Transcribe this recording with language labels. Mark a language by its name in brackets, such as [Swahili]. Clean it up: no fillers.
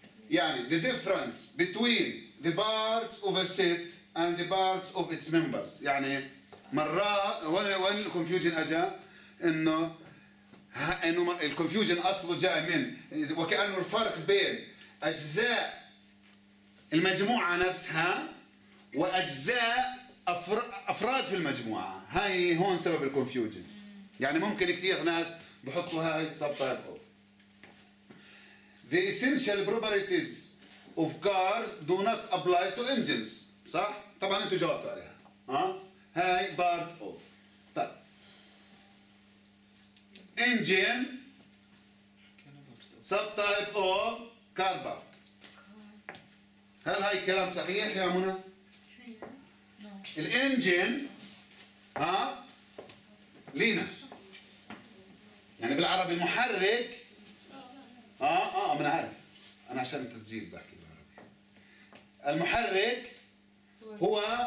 [English] يعني the difference between the parts of a set and the parts of its members. [Arabic] يعني مرة وين الconfusion أجا إنه الconfusion أصله جاي من وكأنه الفرق بين أجزاء المجموعة نفسها وأجزاء أفراد في المجموعة. هاي هون سبب الconfusion. يعني ممكن كثير ناس بحطوا هاي subtype. [English] The essential properties of cars do not apply to engines. [Arabic] صح؟ طبعا انتوا جاوبتوا عليها. هاي part of. طيب. [English] Engine subtype of car part. [Arabic] هل هاي كلام صحيح يا منى؟ الengine لينا. يعني بالعربي محرك منعرف انا عشان التسجيل بحكي بالعربي المحرك هو